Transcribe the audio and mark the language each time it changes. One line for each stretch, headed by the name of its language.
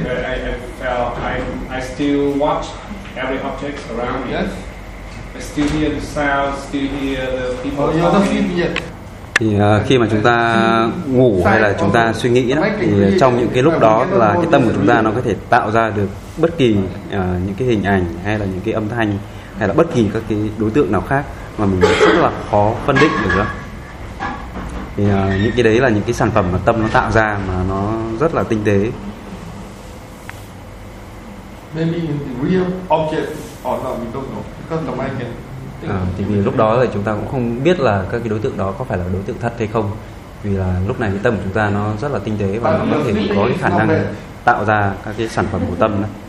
English: But I felt I still watch every object around me. Yes. I still hear the sound, still hear the people. Oh, you're not sleeping yet.
Vietnamese: Thì khi mà chúng ta ngủ hay là chúng ta suy nghĩ đó, thì trong những cái lúc đó là cái tâm của chúng ta nó có thể tạo ra được bất kỳ những cái hình ảnh hay là những cái âm thanh hay là bất kỳ các cái đối tượng nào khác mà mình rất là khó phân định được đó. Thì những cái đấy là những cái sản phẩm mà tâm nó tạo ra mà nó rất là tinh tế.
English: Maybe in the real object or not, we don't know, because the mind can.
Vietnamese: Thì vì lúc đó thì chúng ta cũng không biết là các cái đối tượng đó có phải là đối tượng thật hay không, vì là lúc này cái tâm của chúng ta nó rất là tinh tế và nó có thể có cái khả năng tạo ra các cái sản phẩm của tâm đó.